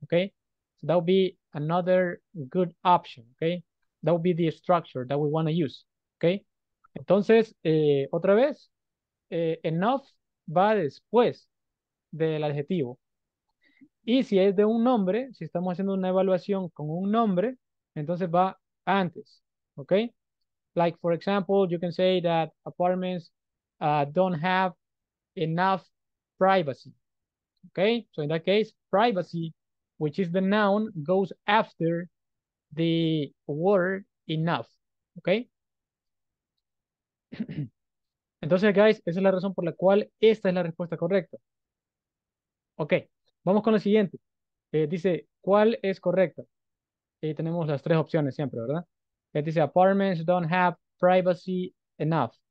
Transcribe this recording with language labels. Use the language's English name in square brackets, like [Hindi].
[English] Okay, so that would be another good option. Okay, that would be the structure that we want to use. [Spanish] Okay, entonces otra vez, enough va después del adjetivo. Y si es de un nombre, si estamos haciendo una evaluación con un nombre, entonces va antes, okay? [English] Like, for example, you can say that apartments don't have enough privacy, okay? So in that case, privacy, which is the noun, goes after the word enough, okay? [Spanish] Entonces, guys, esa es la razón por la cual esta es la respuesta correcta. Okay, vamos con lo siguiente. Dice, ¿cuál es correcta? Y tenemos las tres opciones siempre, ¿verdad? Dice, [English] apartments don't have privacy enough.